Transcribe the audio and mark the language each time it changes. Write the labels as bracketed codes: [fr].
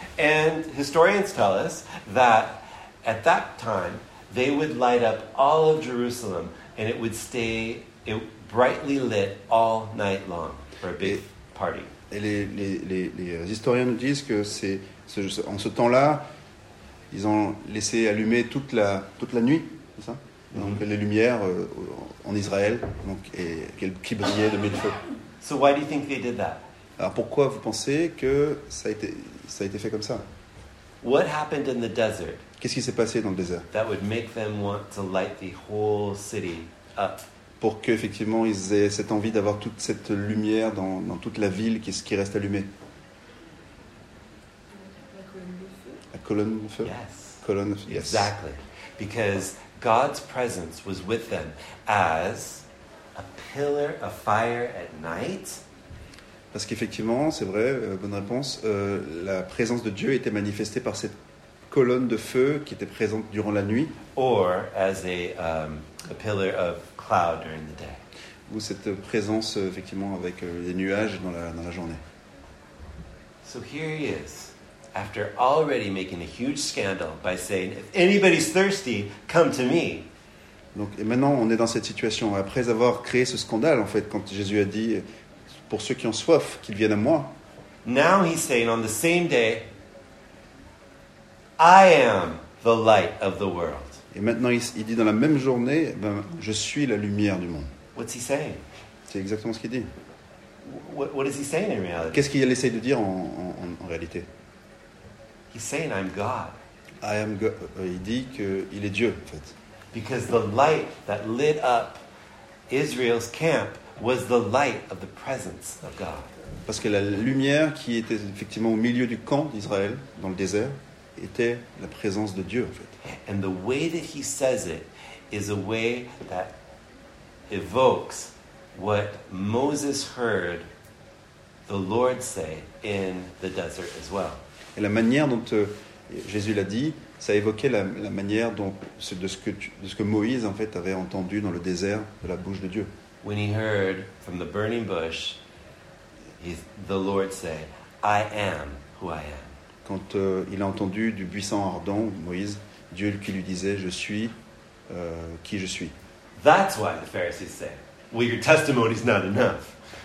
[en] And historians tell us that at that time they would light up all of Jerusalem and it would stay it brightly lit all night long for a big party. [fr] Et les historiens nous disent que en ce temps-là, ils ont laissé allumer toute la nuit, c'est ça? Mm-hmm. Donc les lumières en Israël, donc qui brillaient de mille feux. [en] So why do you think they did that? [fr] Alors pourquoi vous pensez que ça a été fait comme ça? [en] What happened in the desert? [fr] Qu'est-ce qui s'est passé dans le désert? [en] That would make them want to light the whole city up. [fr] Pour qu'effectivement ils aient cette envie d'avoir toute cette lumière dans toute la ville qui reste allumée. La colonne de feu. La colonne de feu. [en] Yes. colonne. Yes. Exactly. Because God's presence was with them as a pillar of fire at night. [fr] Parce qu'effectivement, c'est vrai, bonne réponse, la présence de Dieu était manifestée par cette colonne de feu qui était présente durant la nuit. [en] Or as a pillar of cloud during the day. [fr] Ou cette présence, effectivement, avec les nuages dans la journée. [en] So here he is, after already making a huge scandal by saying, if anybody's thirsty, come to me. [fr] Donc, et maintenant, on est dans cette situation. Après avoir créé ce scandale, en fait, quand Jésus a dit, pour ceux qui ont soif, qu'ils viennent à moi. [en] Now he's saying, on the same day, I am the light of the world. [fr] Et maintenant, il dit dans la même journée, ben, je suis la lumière du monde. [en] What's he saying? [fr] C'est exactement ce qu'il dit. [en] What is he saying in reality? [fr] Qu'est-ce qu'il essaie de dire en réalité? [en] He's saying I'm God. I am God. [fr] Il dit que il est Dieu en fait. [en] Because the light that lit up Israel's camp was the light of the presence of God. [fr] Parce que la lumière qui était effectivement au milieu du camp d'Israël dans le désert était la présence de Dieu en fait. [en] And the way that he says it is a way that evokes what Moses heard the Lord say in the desert as well. [fr] Et la manière dont Jésus l'a dit, ça évoquait la manière dont de ce que Moïse en fait avait entendu dans le désert de la bouche de Dieu. [en] When he heard from the burning bush, the Lord say, "I am who I am." [fr] Quand il a entendu du buisson ardent Moïse, Dieu qui lui disait, "Je suis qui je suis." [en] That's why the Pharisees say, "Well, your testimony is not enough."